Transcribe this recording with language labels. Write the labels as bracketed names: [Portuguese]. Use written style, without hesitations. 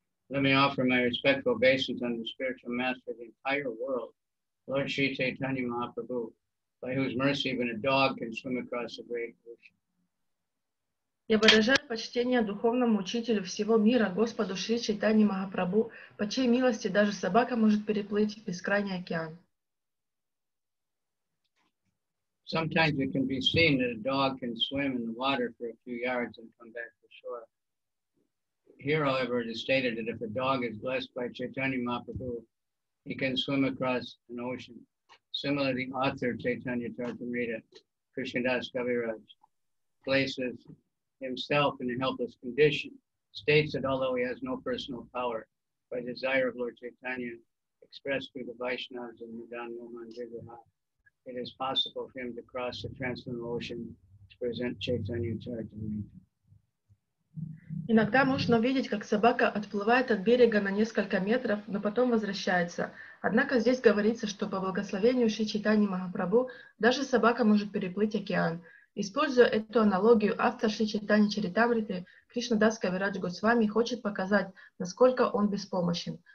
[English] Let me offer my respectful obeisance unto the spiritual master of the entire world, Lord Sri Chaitanya Mahaprabhu, by whose mercy even a dog can swim across the great ocean. [Russian] Я выражаю почтение духовному учителю всего мира, Господу Шри Чайтанья Махапрабху, по чьей милости даже собака может переплыть в бескрайний океан. [English] Sometimes it can be seen that a dog can swim in the water for a few yards and come back to shore. Here, however, it is stated that if a dog is blessed by Chaitanya Mahaprabhu, he can swim across an ocean. Similarly, the author Caitanya-caritāmṛta, Krishnadas Kaviraj, places himself in a helpless condition, states that although he has no personal power, by desire of Lord Caitanya, expressed through the Vaishnavas and Madan Mohan Vigraha, it is possible for him to cross the transcendental ocean to present Caitanya-caritāmṛta. [Russian] Иногда можно увидеть, как собака отплывает от берега на несколько метров, но потом возвращается. Однако здесь говорится, что по благословению Шри Чайтаньи Махапрабху даже собака может переплыть океан. Используя эту аналогию, автор Шри Чайтанья-чаритамриты Кришнадас Кавирадж Госвами хочет показать, насколько он беспомощен.